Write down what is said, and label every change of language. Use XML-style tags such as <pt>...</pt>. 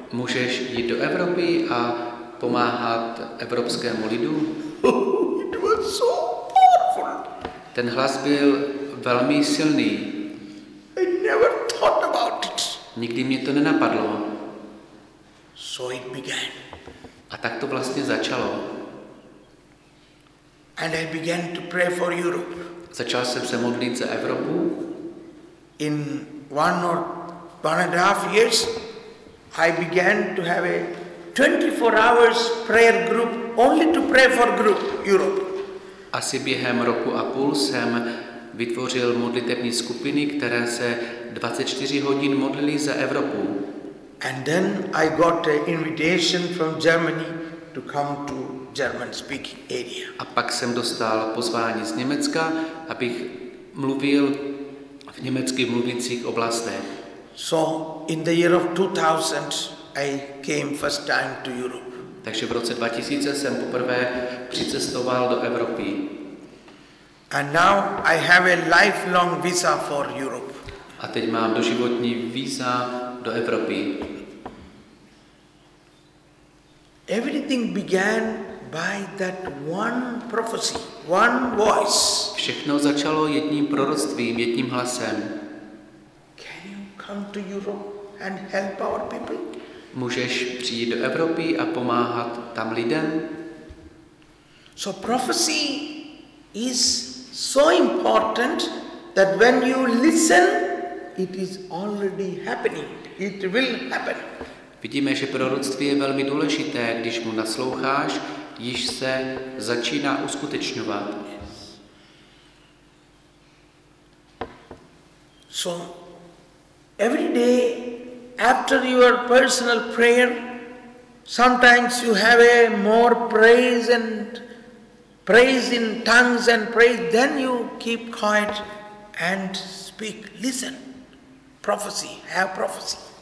<cs>Můžeš jít do Evropy a pomáhat evropskému lidu?</cs> <en>It was so powerful.</en> <cs>Ten hlas byl velmi silný.</cs> <en>I never thought about it.</en> <cs>Nikdy mě to nenapadlo.</cs> <en>So it began.</en> <cs>A tak to vlastně začalo.</cs> <en>And I began to pray for Europe.</en> <cs>Začal jsem se modlit za Evropu.</cs> <en>In one or one and a half years, I began to have a 24 hours prayer group only to pray for group Europe.</en> <cs>Asi během roku a půl jsem vytvořil modlitební skupiny, které se 24 hodin modlili za Evropu.</cs> <en>And then I got an invitation from Germany to come to German speaking area.</en> <cs>A pak jsem dostal pozvání z Německa, abych mluvil v německy mluvících oblastech.</cs> <en>So in the year of 2000 I came first time to Europe.</en> <cs>Takže v roce 2000 jsem poprvé přicestoval do Evropy.</cs> <en>And now I have a lifelong visa for Europe.</en> <cs>A teď mám doživotní víza do Evropy.</cs> <en>Everything began by that one prophecy, one voice.</en> <cs>Všechno začalo jedním proroctvím, jedním hlasem.</cs> <en>Can you come to Europe and help our people?</en> <cs>Můžeš přijít do Evropy a pomáhat tam lidem?</cs> <en>So prophecy is so important that when you listen, it is already happening. It will happen.</en> <cs>Vidíme, že proroctví je velmi důležité, když mu nasloucháš, již se začíná uskutečňovat.</cs> <en>So every day after your personal prayer, sometimes you have a more praise and praise in tongues and praise, then you keep quiet and speak, listen, prophecy, have prophecy.</en>